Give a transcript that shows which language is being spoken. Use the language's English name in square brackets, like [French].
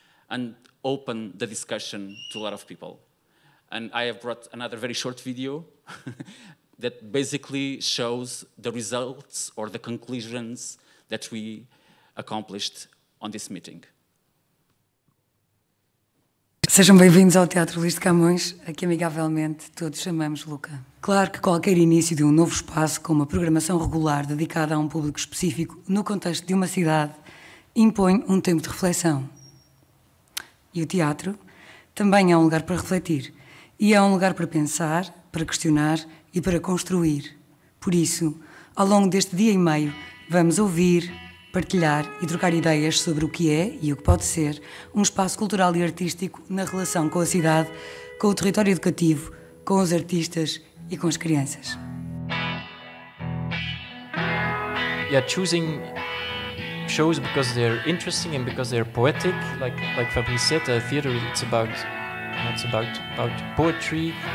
[English] And open the discussion to a lot of people. And I have brought another very short video that basically shows the results or the conclusions that we accomplished on this meeting. [Portuguese] Sejam bem-vindos ao Teatro Luís de Camões, a que amigavelmente todos chamamos Lu.ca. Claro que qualquer início de um novo espaço com uma programação regular dedicada a um público específico no contexto de uma cidade impõe um tempo de reflexão. E o teatro também é um lugar para refletir e é um lugar para pensar, para questionar e para construir. Por isso, ao longo deste dia e meio, vamos ouvir, partilhar e trocar ideias sobre o que é e o que pode ser um espaço cultural e artístico na relação com a cidade, com o território educativo, com os artistas e com as crianças. [English] Yeah, choosing shows because they're interesting and because they're poetic, like Fabrice said, a theater, it's about poetry.